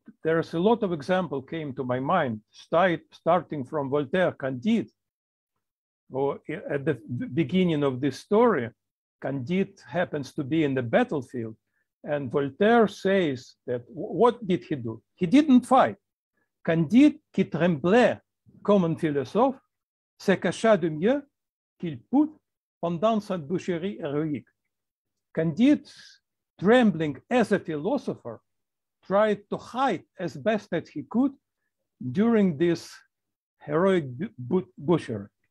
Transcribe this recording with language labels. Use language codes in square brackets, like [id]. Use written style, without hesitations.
[en] There is a lot of example came to my mind, starting from Voltaire, Candide. Or at the beginning of this story, Candide happens to be in the battlefield, and Voltaire says that, what did he do? He didn't fight. [fr] Candide, qui tremblait comme un philosophe, se cacha de mieux qu'il put pendant sa boucherie héroïque. [en] Candide, trembling as a philosopher, tried to hide as best that he could during this heroic butcher.